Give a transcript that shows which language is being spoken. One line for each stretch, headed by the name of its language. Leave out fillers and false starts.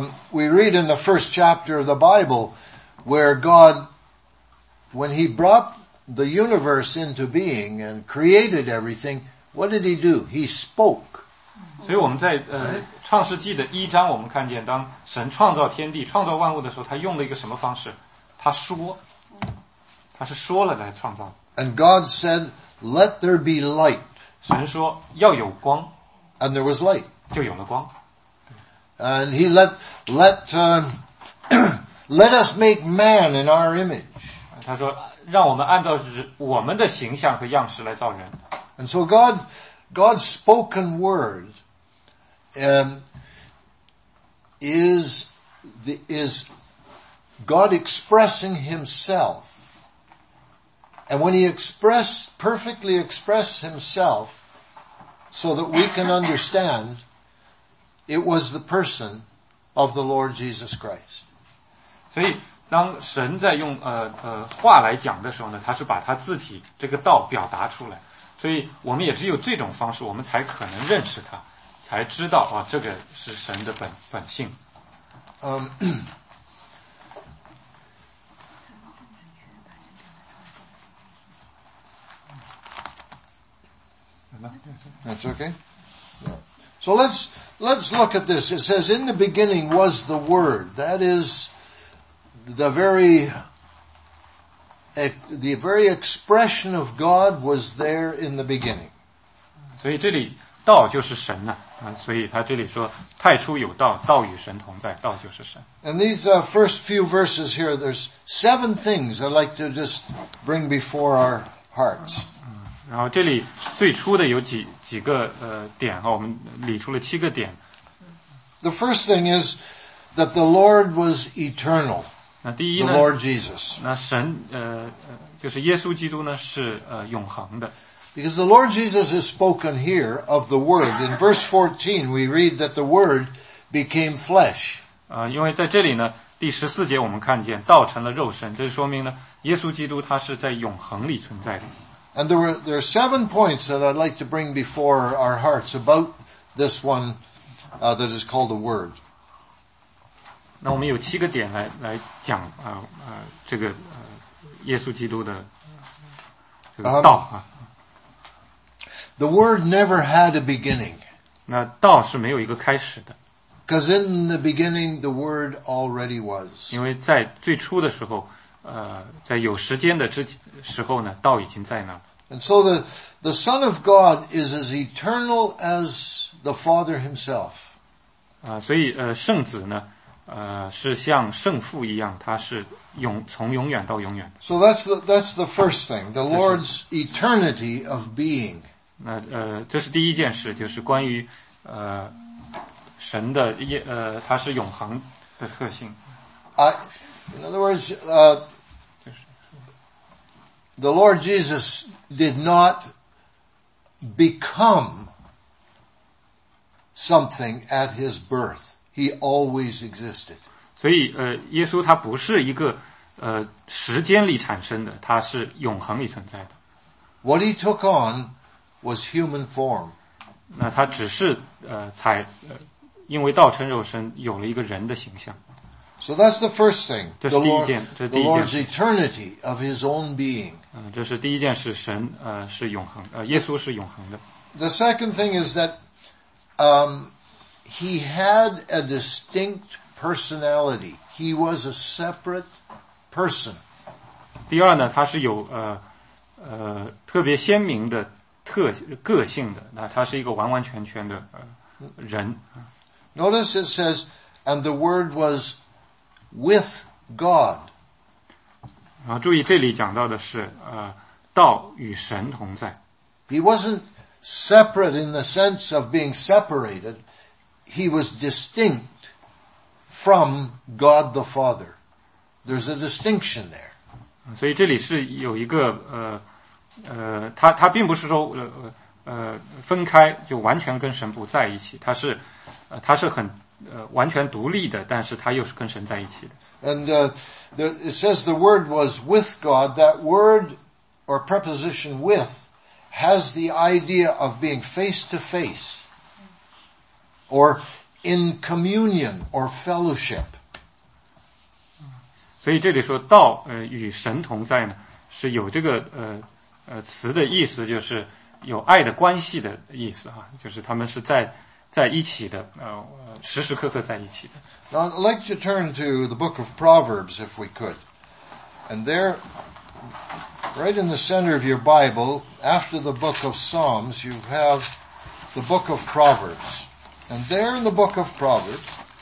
English: We read in the first chapter of the Bible where God, when he brought the universe into being and created everything, what did he do? He spoke.
Chinese: 所以我们在创世纪的一章，我们看见当神创造天地、创造万物的时候，他用了一个什么方式？他说，他是说了来创造。
English: And God said, "Let there be light."
Chinese: 神说要有光。
English: And there was light.
Chinese: 就有了光。
English: And he let us make man in our image.
Chinese: 他说让我们按照我们的形象和样式来造人。
English: And so God's spoken word. Is God expressing himself? And when he perfectly expressed himself so that we can understand, it was the person of the Lord Jesus Christ.
Chinese: 所以当神在用话来讲的时候呢，他是把他自己这个道表达出来，所以我们也只有这种方式我们才可能认识他，才知道啊，这个是神的本性。
English: That's okay. So let's look at this. It says, "In the beginning was the Word." That is the very expression of God was there in the beginning.
Chinese: 所以这里道就是神呐。所以他这里说太初有道，道与神同在，道就是神。
English: And these first few verses here, there's seven things I'd like to just bring before our hearts.
Chinese: 然后这里最初的有几个点，我们理出了七个点。
English: The first thing is that the Lord was eternal.
Chinese: 那第一呢
English: ？The Lord Jesus.
Chinese: 那神就是耶稣基督呢是永恒的。
English: Because the Lord Jesus is spoken here of the Word. In verse 14, we read that the Word became flesh.
Chinese: 因为在这里呢，第十四节我们看见道成了肉身，这说明呢，耶稣基督他是在永恒里存在的。
English: And there are seven points that I'd like to bring before our hearts about this one, that is called the Word.
Chinese: 那我们有七个点来讲这个耶稣基督的这个道啊。
English: The Word never had a beginning.
Chinese: 那道是没有一个开始的。
English: Because in the beginning, the Word already was.
Chinese: 因为在最初的时候，在有时间的时候呢，道已经在那了。
English: And so the Son of God is as eternal as the Father himself.
Chinese: 所以圣子呢，是像圣父一样，他是从永远到永远的。
English: So that's the first thing, the Lord's eternity of being.
Chinese: 那这是第一件事，就是关于神的它是永恒的特性。
English: In other words, the Lord Jesus did not become something at his birth. He always existed.
Chinese: 所以耶稣他不是一个时间里产生的，他是永恒里存在的。
English: What he took on. Was human form.
Chinese: 那他只是才因为道成肉身有了一个人的形象。
English: So that's the first thing.
Chinese: 这是第一件，这是第一件。
English: The Lord's eternity of His own being.
Chinese: 这是第一件事，神是永恒，耶稣是永恒的。
English: The second thing is that, He had a distinct personality. He was a separate person.
Chinese: 第二呢，他是有特别鲜明的。个性的，那他是一个完完全全的人。
English: Notice it says, and the Word was with God.
Chinese: 然后注意这里讲到的是道与神同在。
English: He wasn't separate in the sense of being separated. He was distinct from God the Father. There's a distinction there.
Chinese: 所以这里是有一个他并不是说分开就完全跟神不在一起，他是很完全独立的，但是他又是跟神在一起的。
English: And it says the Word was with God. That word or preposition with has the idea of being face to face or in communion or fellowship.
Chinese: 所以这里说道与神同在呢，是有这个词的意思，就是有爱的关系的意思啊，就是他们是在一起的，时时刻刻在一起的。
English: Now, I'd like to turn to the book of Proverbs, if we could. And there, right in the center of your Bible, after the book of Psalms, you have the book of Proverbs. And there in the book of Proverbs,